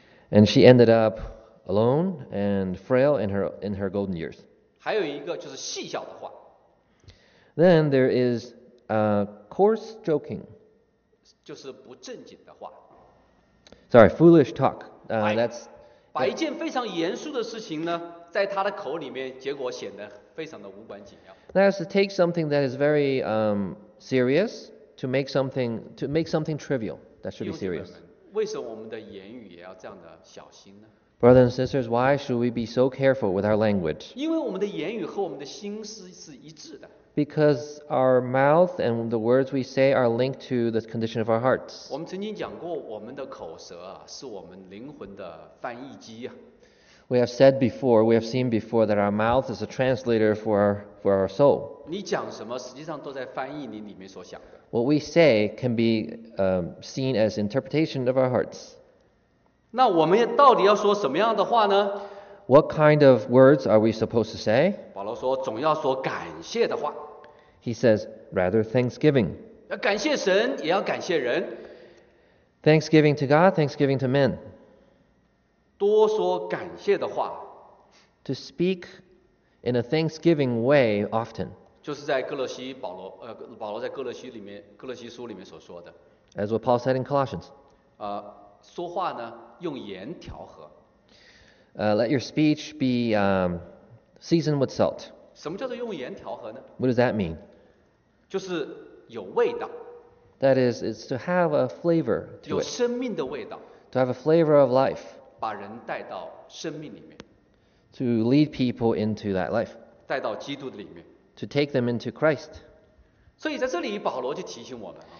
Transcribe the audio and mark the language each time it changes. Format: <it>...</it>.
<en>And she ended up alone and frail in her golden years.</en> <zh>还有一个就是戏笑的话。</zh> <en>Then there is coarse joking.</en> <zh>就是不正经的话。</zh> <en>Sorry, foolish talk. That's</en> <zh>把一件非常严肃的事情呢。在他的口里面，结果显得非常的无关紧要。</zh> <en>That is to take something that is very serious to make something trivial that should be serious.</en> <zh>为什么我们的言语也要这样的小心呢</zh> <en>？Brothers and sisters, why should we be so careful with our language?</en> <zh>因为我们的言语和我们的心思是一致的。</zh> <en>Because our mouth and the words we say are linked to the condition of our hearts.</en> <zh>我们曾经讲过，我们的口舌啊，是我们灵魂的翻译机啊。</zh> <en>We have said before, we have seen before that our mouth is a translator for our soul.</en> <zh>你讲什么，实际上都在翻译你里面所想的。</zh> <en>What we say can be seen as interpretation of our hearts.</en> <zh>那我们到底要说什么样的话呢</zh> <en>？What kind of words are we supposed to say?</en> <zh>保罗说，总要说感谢的话。</zh> <en>He says, rather thanksgiving.</en> <zh>要感谢神，也要感谢人。</zh> <en>Thanksgiving to God, thanksgiving to men.</en> <zh>多说感谢的话</zh> <en>，to speak in a thanksgiving way often，</en> <zh>就是在哥罗西保罗在哥罗西里面哥罗西书里面所说的</zh> <en>，as what Paul said in Colossians，</en> <zh>说话呢用盐调和</zh> <en>，let your speech be seasoned with salt。</en> <zh>什么叫做用盐调和呢</zh> <en>？What does that mean？</en> <zh>就是有味道</zh> <en>，that is to have a flavor to it，</en> <zh>有生命的味道</zh> <en>，to have a flavor of life。</en> <zh>把人带到生命里面</zh> <en>，to lead people into that life，</en> <zh>带到基督的里面</zh> <en>，to take them into Christ。</en> <zh>所以在这里，保罗就提醒我们啊。</zh>